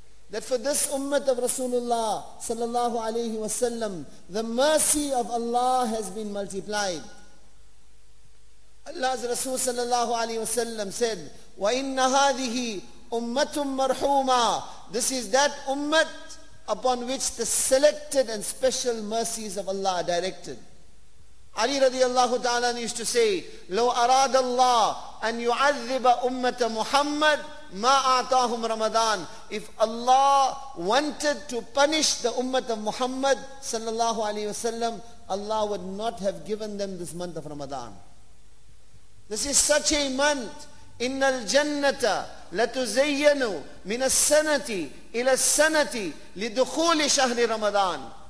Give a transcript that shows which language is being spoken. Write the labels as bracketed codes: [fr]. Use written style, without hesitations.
[en] That for this ummah of Rasulullah sallallahu alayhi wa sallam, the mercy of Allah has been multiplied. Allah's Rasul sallallahu alayhi wa sallam said, [ar] وَإِنَّ هَذِهِ أُمَّةٌ مَرْحُومًا. [en] This is that ummah upon which the selected and special mercies of Allah are directed. Ali radiallahu ta'ala used to say, [ar] لَوْ أَرَادَ اللَّهُ أَنْ يُعَذِّبَ أُمَّةَ مُحَمَّدٍ مَا أَعْطَاهُمْ رَمَضَانِ. [en] If Allah wanted to punish the ummah of Muhammad sallallahu alayhi wa sallam, Allah would not have given them this month of Ramadan. This is such a month. [ar] إِنَّ الْجَنَّةَ لَتُزَيَّنُ مِنَ السَّنَةِ إِلَى السَّنَةِ لِدُخُولِ شَهْرِ رَمَضَانِ.